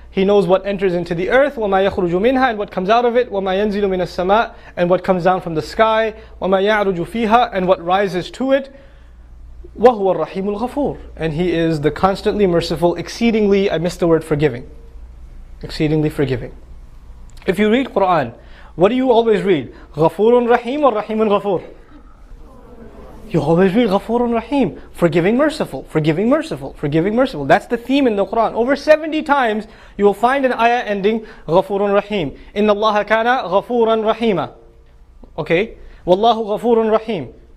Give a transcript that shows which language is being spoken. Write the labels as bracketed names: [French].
[English] He knows what enters into the earth, [Arabic] وَمَا يَخْرُجُ مِنْهَا, [English] and what comes out of it, [Arabic] وَمَا يَنْزِلُ مِنَ السَّمَاءِ, [English] and what comes down from the sky, [Arabic] وَمَا يَعْرُجُ فِيهَا, [English] and what rises to it, [Arabic] وَهُوَ الرَّحِيمُ الْغَفُورُ. [English] And He is the constantly merciful, exceedingly, I missed the word, forgiving. Exceedingly forgiving. If you read Quran, what do you always read? [Arabic] غَفُورٌ رَحِيمٌ [English] or [Arabic] رَحِيمٌ غَفُورٌ? [English] You always read Ghafoorun Rahim, forgiving merciful, forgiving merciful, forgiving merciful. That's the theme in the Quran. Over 70 times, you will find an ayah ending Ghafoorun Rahim. [Arabic] إِنَّ اللَّهَ كَانَ غَفُورًا رَحِيمًا. [English] Okay? [Arabic] وَاللَّهُ غَفُورٌ رَحِيمٌ.